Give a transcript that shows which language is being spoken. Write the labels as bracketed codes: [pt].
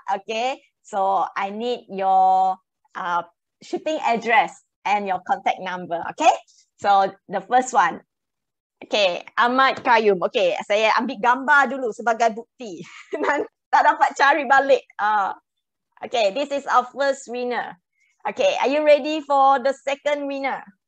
[en] Okay, so I need your shipping address and your contact number, okay? So, the first one. Okay, Ahmad Kayum. [ms] Okay, saya ambil gambar dulu sebagai bukti. Tak dapat cari balik. [en] Okay, this is our first winner. Okay, are you ready for the second winner?